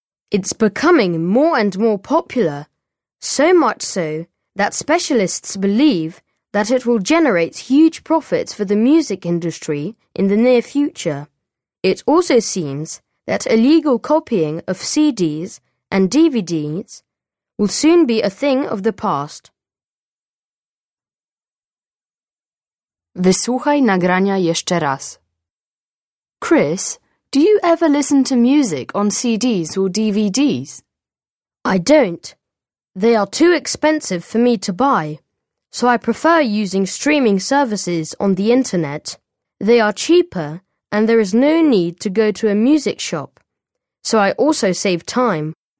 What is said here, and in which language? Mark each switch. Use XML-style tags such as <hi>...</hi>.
<en>It's becoming more and more popular, so much so that specialists believe that it will generate huge profits for the music industry in the near future. It also seems that illegal copying of CDs and DVDs will soon be a thing of the past.</en> <pl>Wysłuchaj nagrania jeszcze raz.</pl> <en>Chris, do you ever listen to music on CDs or DVDs? I don't. They are too expensive for me to buy, so I prefer using streaming services on the internet. They are cheaper, and there is no need to go to a music shop, so I also save time.</en>